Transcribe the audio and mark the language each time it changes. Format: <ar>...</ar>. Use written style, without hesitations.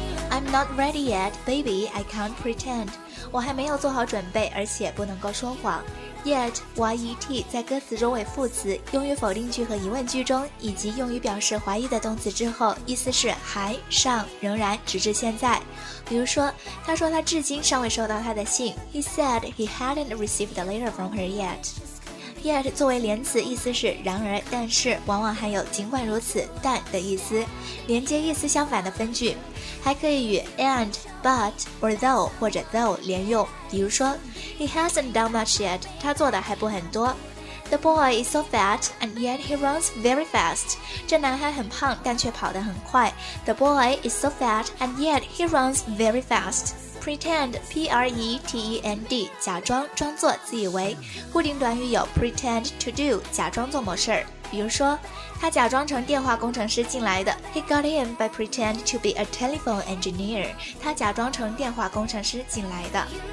<en>I'm not ready yet, baby, I can't pretend.</en> <zh>我还没有做好准备，而且不能够说谎。Yet, Y-E-T, 在歌词中为副词，用于否定句和疑问句中，以及用于表示怀疑的动词之后，意思是还、尚、仍然、直至现在。比如说，他说他至今尚未收到他的信。</zh> <en>He said he hadn't received a letter from her yet.</en> <zh>Yet 作为连词，意思是然而、但是，往往含有尽管如此、但的意思，连接意思相反的分句，还可以与 and、but、or though 或者 though 连用。比如说 ，</zh> <en>He hasn't done much yet，</en> <zh>他做的还不很多。</zh> <en>The boy is so fat, and yet he runs very fast.</en> <zh>这男孩很胖，但却跑得很快。</zh> <en>The boy is so fat, and yet he runs very fast.</en> <zh>Pretend, P-R-E-T-E-N-D, 假装、装作、自以为。固定短语有 pretend to do, 假装做某事。比如说，他假装成电话工程师进来的。</zh> <en>He got in by pretend to be a telephone engineer.</en> <zh>他假装成电话工程师进来的。</zh>